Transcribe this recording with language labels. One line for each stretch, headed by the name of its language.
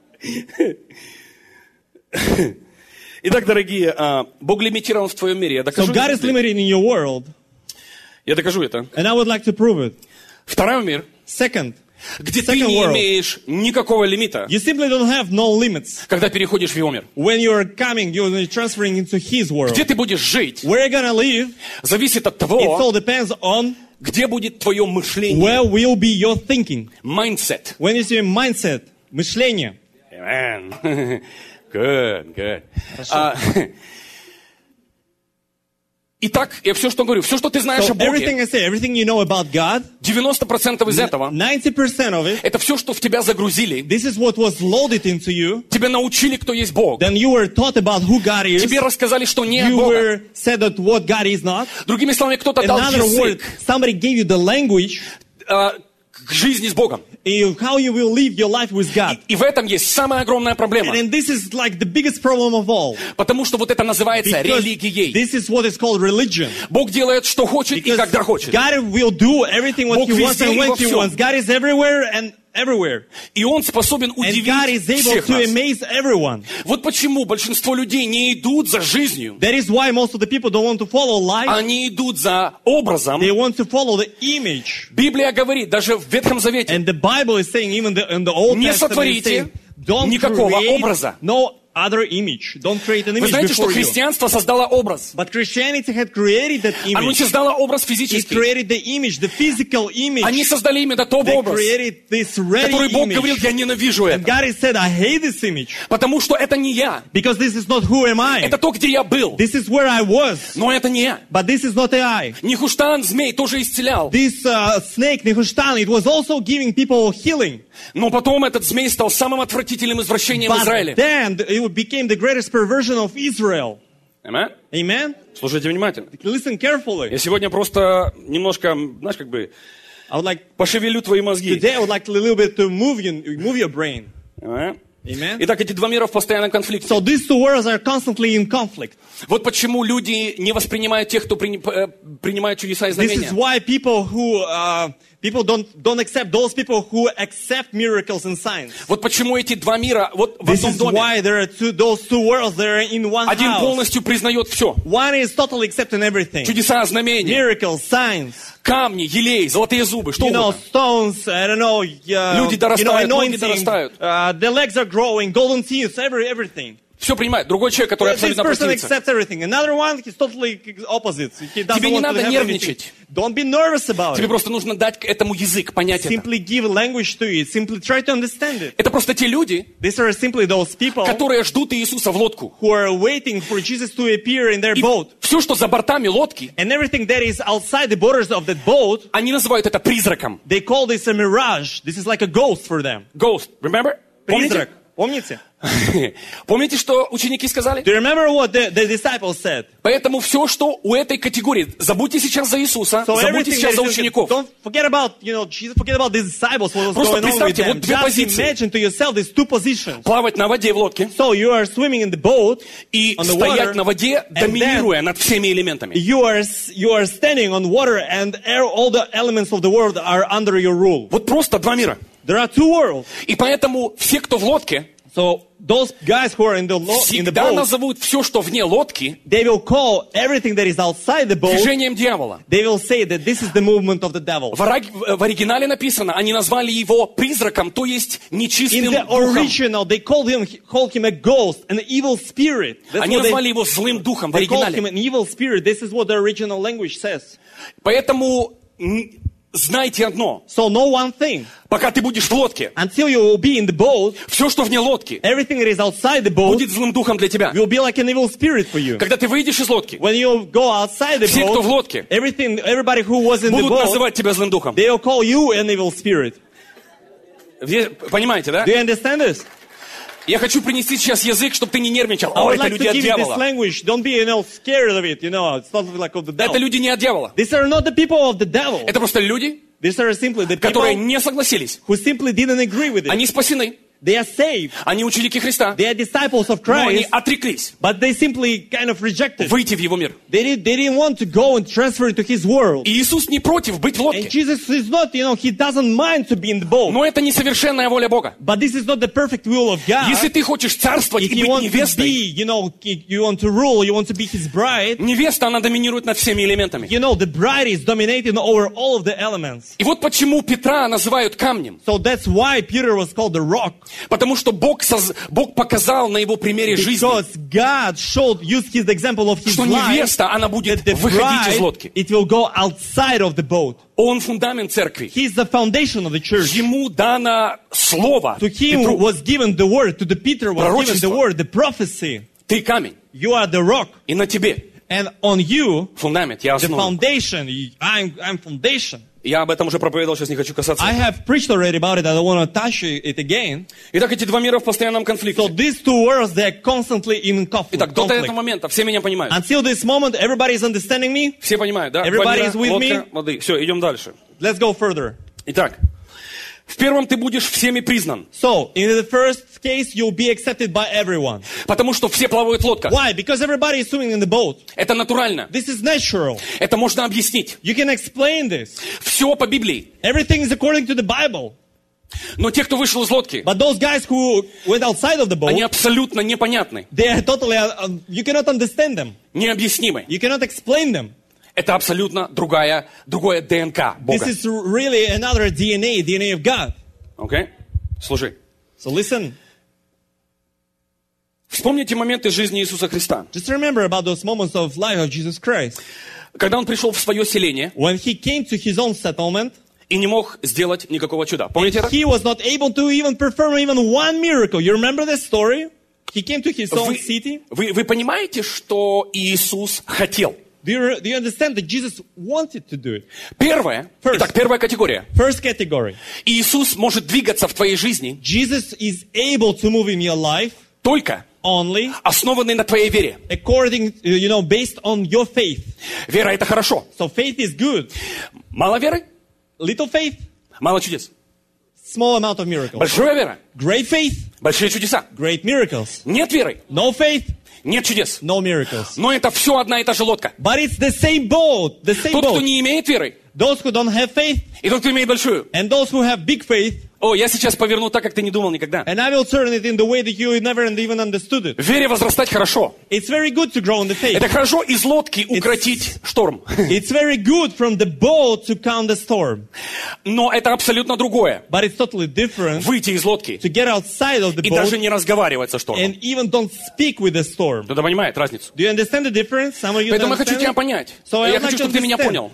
Russian: Неплохо. Итак, дорогие, Бог лимитирован в твоем мире. Я докажу.
English: So God is limited in your world.
Russian: Я докажу это.
English: And I would like to prove it.
Russian: Второй мир.
English: Second.
Russian: Где ты не имеешь никакого лимита.
English: You simply don't have no limits.
Russian: Когда переходишь в его мир.
English: When you are coming, you are transferring into his world.
Russian: Где ты будешь жить.
English: Where you're gonna live.
Russian: Зависит от того.
English: It all depends on.
Russian: Где будет твое мышление.
English: Where will be your thinking. Mindset. When is your mindset.
Russian: Мышление.
English: Amen. Good, good.
Russian: Итак, я все, что говорю, все, что ты знаешь
English: so,
Russian: о Боге,
English: everything I say, everything you know about God,
Russian: 90% из этого,
English: 90% of it,
Russian: это все, что в тебя загрузили,
English: this is what was loaded into you,
Russian: тебя научили, кто есть Бог,
English: then you were taught about who God is,
Russian: тебе рассказали, что не
English: you
Russian: Бога,
English: were said that what God is not,
Russian: другими словами, кто-то
English: another
Russian: дал язык,
English: word, somebody gave you the language,
Russian: к жизни с Богом.
English: How you will live your life with God.
Russian: И в этом есть самая огромная проблема.
English: And this is like the biggest problem of all.
Russian: Потому что вот это называется
English: Because
Russian: религией.
English: This is what is called religion.
Russian: Бог делает, что хочет
English: Because
Russian: и когда хочет.
English: God will do everything what
Russian: Бог
English: he wants and when he wants. God is everywhere and everywhere.
Russian: И он способен удивить всех нас.
English: And God is able to amaze everyone.
Russian: Вот почему большинство людей не идут за жизнью.
English: That is why most of the people don't want to follow life.
Russian: Они идут за образом.
English: They want to follow the image.
Russian: Библия говорит, даже в Ветхом Завете.
English: And the Bible is saying even in the Old Testament.
Russian: Не сотворите никакого образа.
English: No other image. Don't create an image.
Russian: Вы знаете, что христианство создало образ.
English: But Christianity had created that image.
Russian: Оно создало образ физический.
English: It created the image, the physical image.
Russian: Они создали именно тот
English: they
Russian: образ,
English: created this ready
Russian: который Бог
English: image.
Russian: Говорил, я ненавижу это.
English: And God has said, I hate this image.
Russian: Потому что это не я.
English: Because this is not who am I.
Russian: Это то, где я был.
English: This is where I was.
Russian: Но это не я.
English: But this is not I.
Russian: Нехуштан, змей, тоже исцелял.
English: This snake, Нехуштан, it was also giving people healing.
Russian: Но потом этот змей стал самым отвратительным извращением
English: But
Russian: Израиля.
English: Then it became the greatest perversion of Israel. Amen. Amen.
Russian: Слушайте внимательно.
English: Listen carefully.
Russian: Я сегодня просто немножко, знаешь, как бы
English: I would like
Russian: пошевелю твои мозги.
English: Today I would like a little bit to move your brain. Amen. Amen.
Russian: Итак, эти два мира в постоянном конфликте.
English: So these two worlds are constantly in conflict.
Russian: Вот почему люди не воспринимают тех, кто принимает чудеса и знамения.
English: This is why people don't accept those people who accept miracles and signs.
Russian: Вот почему эти два мира вот в одном доме.
English: This is why there are those two worlds that are in one house.
Russian: Один полностью признает все.
English: One is totally accepting everything.
Russian: Чудеса, знамения.
English: Miracles, signs.
Russian: Камни, елей, золотые зубы, что угодно.
English: Stones, I don't know.
Russian: Люди дорастают, ноги дорастают.
English: The legs are growing, golden teeth, everything.
Russian: Все принимает. Другой человек, который абсолютно противится.
English: This person accepts everything. Another one, he's totally opposite. He doesn't
Russian: Тебе не надо нервничать.
English: Don't be nervous about it.
Russian: Тебе просто нужно дать этому язык, понять
English: simply
Russian: это.
English: Simply give language to it. Simply try to understand it.
Russian: Это просто те люди,
English: These are simply those people,
Russian: которые ждут Иисуса в лодку.
English: Who are waiting for Jesus to appear in their
Russian: И
English: boat.
Russian: Все, что за бортами лодки,
English: and everything that is outside the borders of that boat,
Russian: они называют это призраком.
English: They call this a mirage. This is like a ghost for them. Ghost. Remember?
Russian: Призрак. Помните? Помните, что ученики сказали?
English: Do you remember what the disciples said?
Russian: Поэтому все, что у этой категории, забудьте сейчас за Иисуса,
English: so
Russian: забудьте сейчас за учеников.
English: Don't forget about, you know, Jesus, forget about the disciples. What was
Russian: Просто
English: going
Russian: представьте,
English: on with
Russian: вот
English: them.
Russian: Две
English: Just
Russian: позиции.
English: Imagine to yourself these two positions.
Russian: Плавать на воде в лодке.
English: So you are swimming in the boat.
Russian: И
English: on the
Russian: стоять
English: water,
Russian: на воде, доминируя над всеми элементами.
English: You are standing on water and all the elements of the world are under your rule.
Russian: Вот просто два мира.
English: There are two worlds.
Russian: И поэтому все, кто в лодке,
English: so those guys who are in the
Russian: всегда назовут все, что вне лодки,
English: they will call everything that is outside the boat,
Russian: движением дьявола.
English: They will say that this is the movement of the devil.
Russian: В оригинале написано, они назвали его призраком, то есть нечистым духом.
English: In the original, they call him a ghost, an evil spirit. That's
Russian: они назвали его злым духом в оригинале.
English: They call him an evil spirit. This is what the original language says.
Russian: Поэтому знайте одно.
English: So no one thing.
Russian: Пока ты будешь в лодке,
English: until you will be in the boat,
Russian: все, что вне лодки,
English: everything that is outside the boat,
Russian: будет злым духом для тебя.
English: Will be like an evil spirit for you.
Russian: Когда ты выйдешь из лодки,
English: when you go outside the
Russian: все,
English: boat,
Russian: кто в лодке,
English: everything, everybody who was in
Russian: будут
English: the boat,
Russian: называть тебя злым духом.
English: They will call you an evil spirit.
Russian: Понимаете, да?
English: Do you understand this?
Russian: Я хочу принести сейчас язык, чтобы ты не нервничал. О, это люди от дьявола.
English: Don't be, you know, scared of it. You know, it's not like of the devil.
Russian: Это люди не от дьявола.
English: These are not the people of the devil.
Russian: Это просто люди,
English: These are simply the people,
Russian: которые не согласились.
English: Who simply didn't agree with it.
Russian: Они спасены.
English: They are saved.
Russian: Они ученики Христа.
English: They are disciples of Christ.
Russian: Но они отреклись.
English: But they simply kind of rejected.
Russian: Выйти в его мир.
English: They didn't want to go and transfer into his world.
Russian: И Иисус не против быть в лодке.
English: And Jesus is not, you know, he doesn't mind to be in the boat.
Russian: Но это не совершенная воля Бога.
English: But this is not the perfect will of God.
Russian: Если ты хочешь царствовать
English: if
Russian: и быть невестой,
English: be, you know, you want to rule, you want to be his bride.
Russian: Невеста, она доминирует над всеми элементами.
English: You know, the bride is dominating over all of the elements.
Russian: И вот почему Петра называют камнем.
English: So that's why Peter was called the rock.
Russian: Потому что Бог показал на его примере
English: Because
Russian: жизни,
English: God showed, used his example of his
Russian: что невеста,
English: life,
Russian: она будет
English: that the
Russian: выходить
English: bride,
Russian: из лодки.
English: It will go outside of the boat.
Russian: Он фундамент церкви.
English: He is the foundation of the church.
Russian: Ему дано слово.
English: To him
Russian: Петру.
English: Was given the word. To the Peter was
Russian: Пророчество.
English: Given the word, the prophecy.
Russian: Ты камень.
English: You are the rock.
Russian: И на тебе.
English: And on you,
Russian: фундамент, я основа.
English: The foundation, I'm foundation.
Russian: Я об этом уже проповедовал, сейчас не хочу касаться.
English: I have preached already about it, I don't want to touch it again.
Russian: Итак, эти два мира в постоянном конфликте.
English: So these two worlds, they are constantly in conflict.
Russian: Итак, до этого момента все меня понимают.
English: Until this moment, everybody is understanding me.
Russian: Все понимают, да?
English: Everybody is with me.
Russian: Воды. Все, идем дальше.
English: Let's go further.
Russian: Итак, в первом ты будешь всеми признан.
English: So, in the first case, you'll be accepted by everyone.
Russian: Потому что все плавают в лодках.
English: Why? Because everybody is swimming in the boat.
Russian: Это натурально.
English: This is natural.
Russian: Это можно объяснить.
English: You can explain this.
Russian: Все по Библии.
English: Everything is according to the Bible.
Russian: Но те, кто вышел из лодки,
English: but those guys who went outside of the boat,
Russian: они абсолютно непонятны.
English: They are totally, you cannot understand them.
Russian: Необъяснимы.
English: You cannot explain them.
Russian: Это абсолютно другое ДНК Бога.
English: This is really another DNA, DNA of God. Okay.
Russian: Слушай.
English: So listen.
Russian: Вспомните моменты жизни Иисуса Христа.
English: Just remember about those moments of life of Jesus Christ.
Russian: Когда он пришел в свое селение.
English: When he came to his own settlement.
Russian: И не мог сделать никакого чуда. Помните это?
English: He was not able to even perform even one miracle. You remember this story? He came to his own city.
Russian: Вы понимаете, что Иисус хотел?
English: Do you understand that Jesus wanted to do it?
Russian: Первое.
English: First.
Russian: Итак, первая категория.
English: First category.
Russian: Иисус может двигаться в твоей жизни.
English: Jesus is able to move in your life.
Russian: Только.
English: Only.
Russian: Основанный на твоей вере.
English: According, you know, based on your faith.
Russian: Вера это хорошо.
English: So faith is good.
Russian: Мало веры?
English: Little faith.
Russian: Мало чудес.
English: Small amount of miracles.
Russian: Большая вера.
English: Great faith.
Russian: Большие чудеса.
English: Great miracles.
Russian: Нет веры.
English: No faith.
Russian: Нет чудес.
English: No miracles.
Russian: Но это все одна и та же лодка.
English: But it's the same boat. The same
Russian: тот,
English: boat.
Russian: Кто не имеет веры.
English: Those who don't have faith.
Russian: И тот, кто имеет большую.
English: And those who have big faith.
Russian: О, я сейчас поверну так, как ты не думал никогда.
English: And I will turn it in the way that you never even understood it.
Russian: Вере возрастать хорошо.
English: It's very good to grow in the faith.
Russian: Это хорошо из лодки укротить шторм.
English: It's very good from the boat to calm the storm.
Russian: Но это абсолютно другое.
English: But it's totally different.
Russian: Выйти из лодки.
English: To get outside of the boat.
Russian: И даже не разговаривать со штормом.
English: And even don't speak with the storm.
Russian: Кто-то понимает разницу?
English: Do you understand the difference? Some of you
Russian: поэтому я хочу тебя понять.
English: So
Russian: я хочу, чтобы ты меня понял.